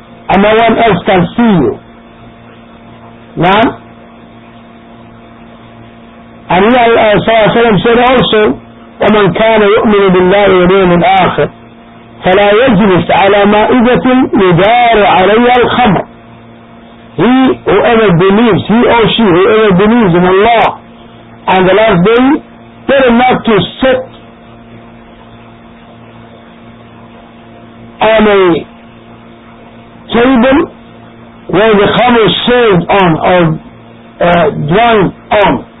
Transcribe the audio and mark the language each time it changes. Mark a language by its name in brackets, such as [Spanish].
[English] And no one else can see you. Now, and he sallallahu alayhi wa sallam said also, [Arabic] وَمَنْ كَانَ يُؤْمِنُ بِاللَّهِ وَلِيَوْمِ الْآخِرِ فَلَا يَجْلِسْ عَلَى مَائِدَةٍ يُدَارُ عَلَيْهَا الْخَمْرُ. [English] He or she, whoever believes in Allah on the last day, tell him not to sit on a table where the khamr is served on or drunk on.